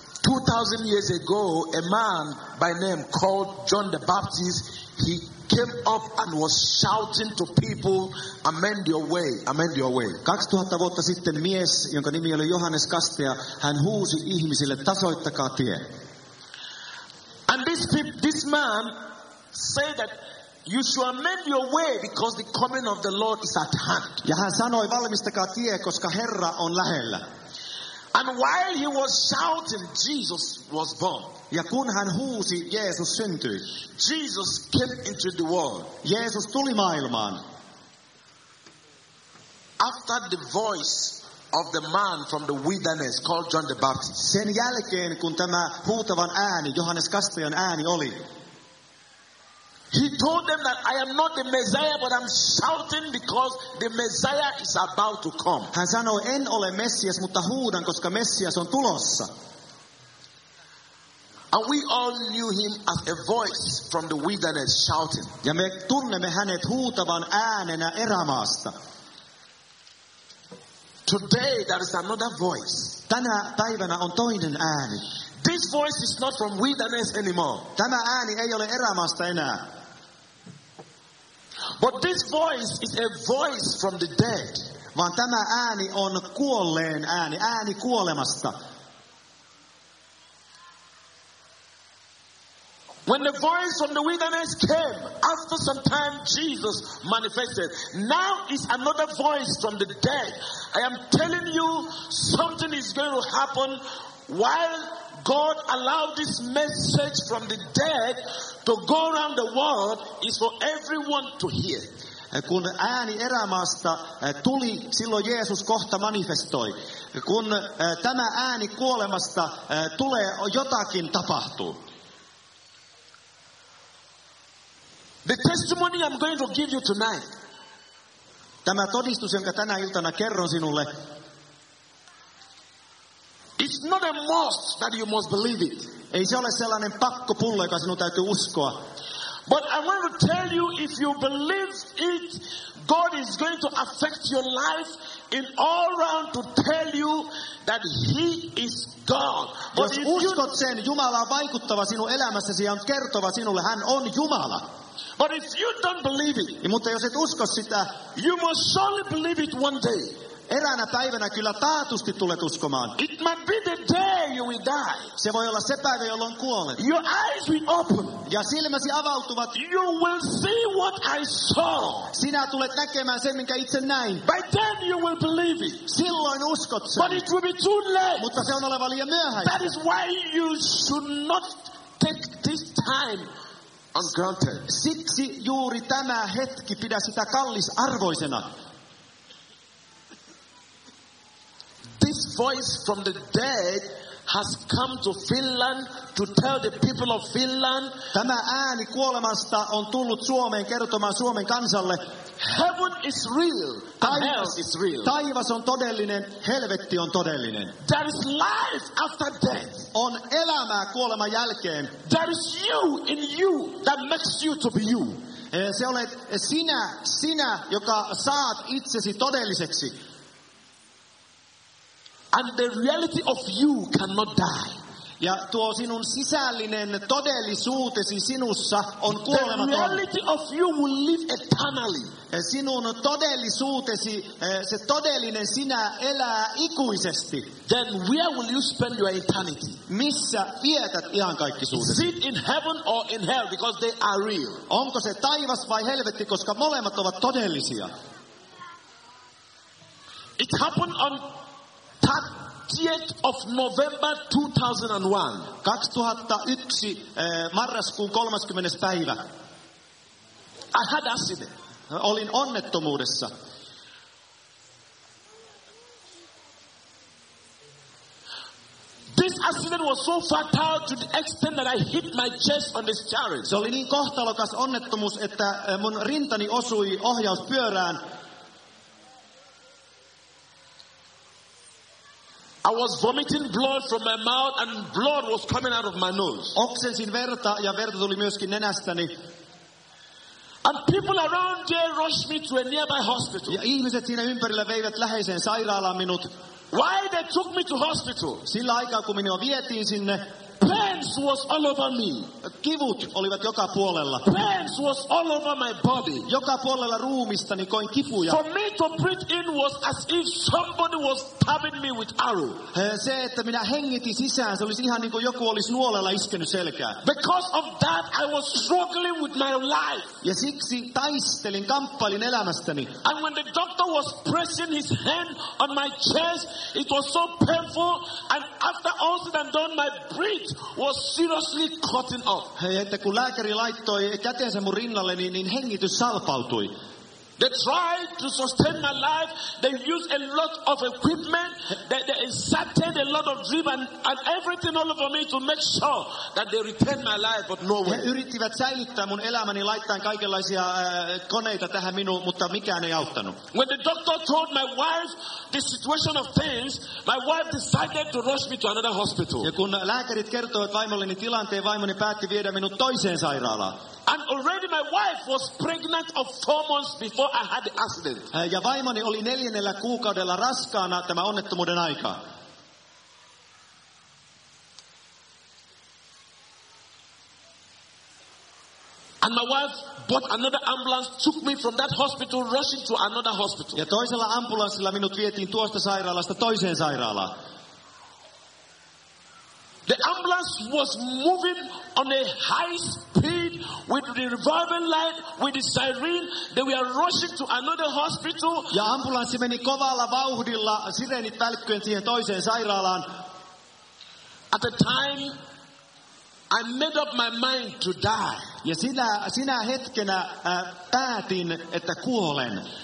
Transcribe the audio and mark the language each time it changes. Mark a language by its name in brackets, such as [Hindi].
[English] 2,000 years ago, a man by name called John the Baptist, he came up and was shouting to people, amend your way, amend your way. [Finnish] 2000 vuotta sitten mies, jonka nimi oli Johannes Kastaja, hän huusi ihmisille, tasoittakaa tie. [English] And this man said that you should amend your way because the coming of the Lord is at hand. [Finnish] Ja hän sanoi, valmistakaa tie, koska Herra on lähellä. [English] And while he was shouting, Jesus was born. [Finnish] Ja kun hän huusi, Jeesus syntyi. [English] Jesus came into the world. [Finnish] Jeesus tuli maailmaan. [English] After the voice of the man from the wilderness called John the Baptist. [Finnish] Sen jälkeen, kun tämä huutavan ääni, Johannes Kastajan ääni oli. [English] He told them that I am not the Messiah, but I'm shouting because the Messiah is about to come. [Finnish] Hän sanoi, en ole Messias, mutta huudan, koska Messias on tulossa. [English] And we all knew him as a voice from the wilderness shouting. [Finnish] Ja me tunnemme hänet huutavan äänenä erämaasta. [English] Today there is another voice. [Finnish] Tänä päivänä on toinen ääni. [English] This voice is not from wilderness anymore. [Finnish] Tämä ääni ei ole erämaasta enää. [English] But this voice is a voice from the dead. [Finnish] Vaan tämä ääni on kuolleen ääni, ääni kuolemasta. [English] When the voice from the wilderness came, after some time Jesus manifested. Now is another voice from the dead. I am telling you, something is going to happen while God allowed this message from the dead to go around the world is for everyone to hear. [Finnish] Kun ääni erämaasta tuli, silloin Jeesus kohta manifestoi. Kun tämä ääni kuolemasta tulee, jotakin tapahtuu. [English] The testimony I'm going to give you tonight. [Finnish] Tämä todistus, jonka tänä iltana kerron sinulle. [English] It's not a must that you must believe it. [Finnish] Ei se ole sellainen pakkopullo, joka sinun täytyy uskoa. [English] But I want to tell you, if you believe it, God is going to affect your life in all round to tell you that He is God. [Finnish] Jos uskot sen, Jumala on vaikuttava sinun elämässäsi ja on kertova sinulle, hän on Jumala. [English] But if you don't believe it, [Finnish] mutta jos et usko sitä, [English] you must surely believe it one day. [Finnish] Eräänä päivänä kyllä taatusti tulet uskomaan. [English] It might be the day you will die. [Finnish] Se voi olla se päivä, jolloin kuolet. [English] Your eyes will open. [Finnish] Ja silmäsi avautuvat. [English] You will see what I saw. [Finnish] Sinä tulet näkemään sen, minkä itse näin. [English] By then you will believe it. [Finnish] Silloin uskot sen. [English] But it will be too late. [Finnish] Mutta se on oleva liian myöhäistä. [English] That is why you should not take this time. [Finnish] Siksi juuri tämä hetki pidä sitä kallisarvoisena. [English] This voice from the dead has come to Finland to tell the people of Finland. [Finnish] Tämä ääni kuolemasta on tullut Suomeen kertomaan Suomen kansalle. [English] Heaven is real. Hell is real. [Finnish] Taivas on todellinen, helvetti on todellinen. [English] There is life after death. [Finnish] On elämää kuoleman jälkeen. [English] There is you in you that makes you to be you. [Finnish] Se olet sinä, joka saat itsesi todelliseksi. [English] And the reality of you cannot die. [Finnish] Ja tuo sinun sisällinen todellisuutesi sinussa on kuolematon. [English] The reality of you will live eternally. [Finnish] Sinun todellisuutesi, se todellinen sinä elää ikuisesti. [English] Then where will you spend your eternity? [Finnish] Missä vietät iankaikkisuutesi? [English] Is it in heaven or in hell? Because they are real. [Finnish] Onko se taivas vai helvetti, koska molemmat ovat todellisia. [English] It happened on 30th of November 2001. [Finnish] 2001 marraskuun 30. päivä. [English] I had accident. [Finnish] Olin onnettomuudessa. [English] This accident was so fatal to the extent that I hit my chest on the steering. [Finnish] Se oli niin kohtalokas onnettomuus, että mun rintani osui ohjauspyörään. [English] I was vomiting blood from my mouth and blood was coming out of my nose. [Finnish] Oksensin verta ja verta tuli myöskin nenästäni. [English] And people around there rushed me to a nearby hospital. [Finnish] Ja ihmiset siinä ympärillä veivät läheiseen sairaalaan minut. [English] Why they took me to hospital? [Finnish] Sillä aikaa, kun minua vietiin sinne. [English] Pains was all over me. [Finnish] Kivut olivat joka puolella. [English] Pains was all over my body. [Finnish] Joka puolella ruumistani koin kipuja. [English] For me to breathe in was as if somebody was stabbing me with arrow. [Finnish] Se, että minä hengitin sisään, se olisi ihan niin kuin joku olisi nuolella iskenyt selkään. [English] Because of that, I was struggling with my life. [Finnish] Ja siksi taistelin, kamppailin elämästäni. [English] And when the doctor was pressing his hand on my chest, it was so painful. And after all said and done, my breath was seriously cutting up. [Finnish] Hei, että kun lääkäri laittoi kätensä mun rinnalle, niin hengitys salpautui. [English] They tried to sustain my life. They used a lot of equipment. They inserted a lot of drip and everything all over me to make sure that they retain my life, but no way. [Finnish] He yrittivät säilyttää mun elämäni laittain kaikenlaisia koneita tähän minuun, mutta mikään ei auttanut. [English] When the doctor told my wife the situation of things, my wife decided to rush me to another hospital. [Finnish] Ja kun lääkärit kertoivat vaimolleni tilanteen, vaimoni päätti viedä minut toiseen sairaalaan. [English] And already my wife was pregnant of 4 months before I had the accident. [Finnish] Ja vaimoni oli 4 kuukaudella raskaana tämä onnettomuuden aika. [English] And my wife bought another ambulance, took me from that hospital, rushing to another hospital. [Finnish] Ja toisella ambulanssilla minut vietiin tuosta sairaalasta toiseen sairaalaan. [English] The ambulance was moving on a high speed with the revolving light, with the siren. They were rushing to another hospital. [Finnish] Ja ambulanssi meni kovalla vauhdilla, sireenit välkkyen siihen toiseen sairaalaan. [English] At the time, I made up my mind to die. [Finnish] Ja sinä hetkenä päätin, että kuolen.